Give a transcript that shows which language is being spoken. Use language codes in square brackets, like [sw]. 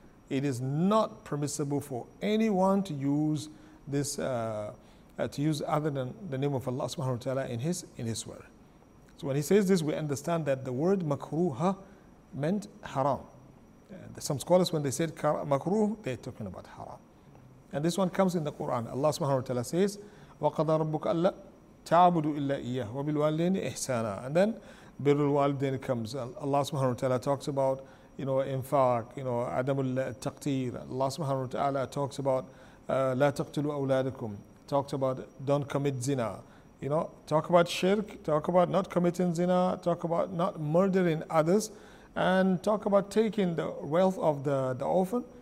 [en] It is not permissible for anyone to use this to use other than the name of Allah subhanahu wa ta'ala in his word. So when he says this, we understand that the word makruha meant haram. Some scholars, when they said makruh, they're talking about haram. And this one comes in the Quran. Allah subhanahu wa ta'ala says, [ar] وَقَضَى رَبُّكَ أَلَّا تَعْبُدُ إِلَّا إِيَّهُ وَبِالْوَالِدَيْنِ إِحْسَانًا [en] And then, [ar] بِرُّ الْوَالِدَيْنِ comes. [en] Allah subhanahu wa ta'ala talks about, you know, infaq, you know, [ar] عَدَمُ التَّقْتِيرِ [en] Allah subhanahu wa ta'ala talks about [ar] لا تقتلوا أولادكم. [en] Talked about don't commit zina. You know, talk about shirk, talk about not committing zina, talk about not murdering others, and talk about taking the wealth of the orphan.